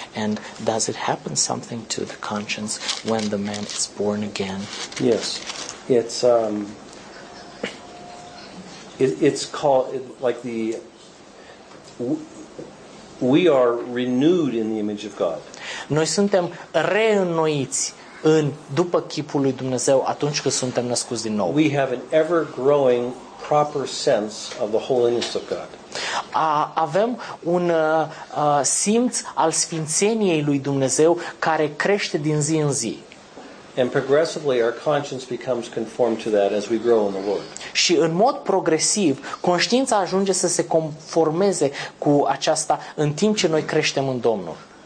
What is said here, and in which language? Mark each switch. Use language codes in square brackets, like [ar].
[en] And does it happen something to the conscience when the man is born again? Yes, it's it's called it, like the we are renewed in the image of God. [ro] Noi suntem reînnoiți în după chipul lui Dumnezeu atunci când suntem născuți din nou. [en] We have an ever growing proper sense of the holiness of God. [ro] Avem un simț al sfințeniei lui Dumnezeu care crește din zi în zi. [en] And progressively our conscience becomes conformed to that as we grow in the Lord. [ro] Și în mod progresiv conștiința ajunge să se conformeze cu aceasta în timp ce noi creștem în Domnul.